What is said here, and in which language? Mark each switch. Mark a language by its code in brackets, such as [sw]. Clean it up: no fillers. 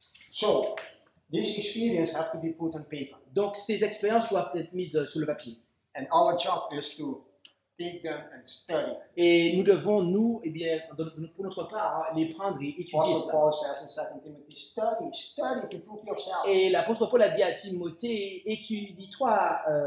[en] So, these experiences have to be put on paper. [fr] Donc, ces expériences doivent être mises sur le papier. [en] And our job is to take them and study. [fr] Et nous devons, nous, eh bien, pour notre part, les prendre et étudier ça. [en] Paul says in 2 Timothy, study to prove yourself. [fr] Et l'apôtre Paul a dit à Timothée, étudie-toi.